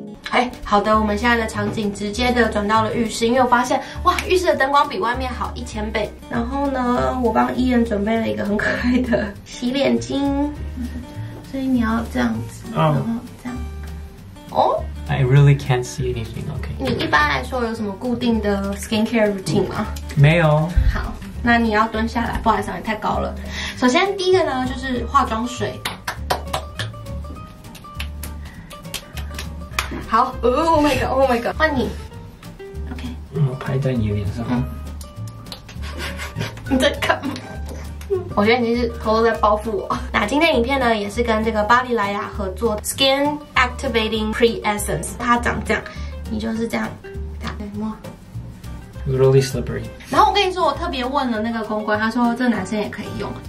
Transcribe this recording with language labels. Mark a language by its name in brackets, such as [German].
[Chinese] 哎，好的，我们现在的场景直接的转到了浴室，因为我发现哇，浴室的灯光比外面好1000倍。然后呢，我帮伊恩准备了一个很可爱的洗脸巾，所以你要这样子，然后这样。 [English] 哦 ，I really can't see anything. OK。 [Chinese] 你一般来说有什么固定的 skincare routine 吗？没有。好，那你要蹲下来，不好意思，你太高了。首先第一个呢，就是化妆水。 [English] 好 ，Oh my god, Oh my god， [Chinese] 换你 [English] ，OK， [Chinese] 然后拍在你脸上。你在干嘛？我觉得你是偷偷在报复我。那今天影片呢，也是跟这个巴黎莱雅合作 Skin Activating Pre Essence， 它长这样，你就是这样，打给摸。 [English] Really slippery。 [Chinese] 然后我跟你说，我特别问了那个公关，他说这男生也可以用。